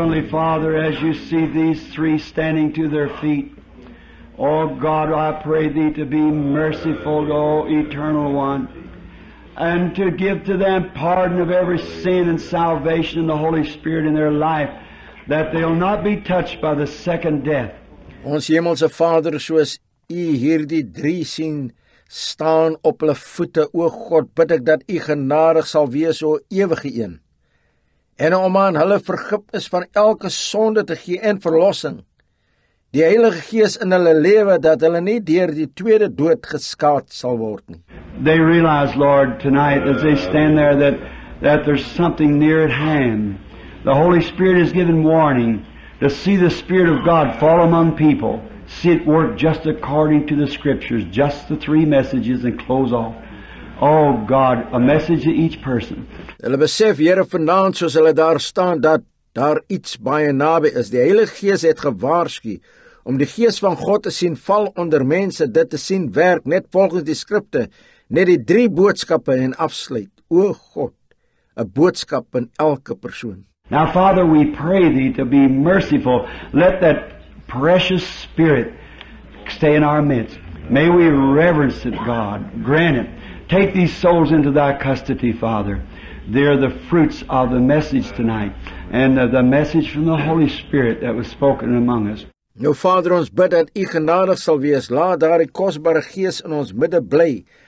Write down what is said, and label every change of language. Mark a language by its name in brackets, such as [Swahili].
[English] Father, as you see these three standing to their feet, oh God, I pray thee to be merciful, oh eternal one. and to give to them pardon of every sin and salvation in the Holy Spirit in their life, that they'll not be touched by the second death. [Afrikaans] Ons hemelse Vader, soos U hierdie drie sien staan op hulle voete, o God, bid ek dat U genadig sal wees, o ewige een, en om aan hulle vergifnis van elke sonde te gee en verlossing, die Heilige Gees in hulle lewe, dat hulle nie deur die tweede dood geskaad sal word nie. [English] They realize, Lord, tonight, as they stand there, that there's something near at hand. The Holy Spirit has given warning to see the Spirit of God fall among people, see it work just according to the Scriptures, just the three messages, and close off. Oh God, a message to each person. [Afrikaans] Hulle besef, Here, vanavond, soos hulle daar staan, dat daar iets baie nabij is. Die Heilige Gees het gewaarsku om die Gees van God te sien val onder mense, dit te sien werk, net volgens die Skrifte, net die drie boodskappe en afsluit. O God, 'n boodskap in elke persoon. [English] Now, Father, we pray Thee to be merciful. Let that precious Spirit stay in our midst. May we reverence it, God. Grant it. Take these souls into Thy custody, Father. They are the fruits of the message tonight. And the message from the Holy Spirit that was spoken among us. [Afrikaans] Nou, Vader, ons bid dat U genadig sal wees. Laat daar die kostbare Gees in ons midde bly.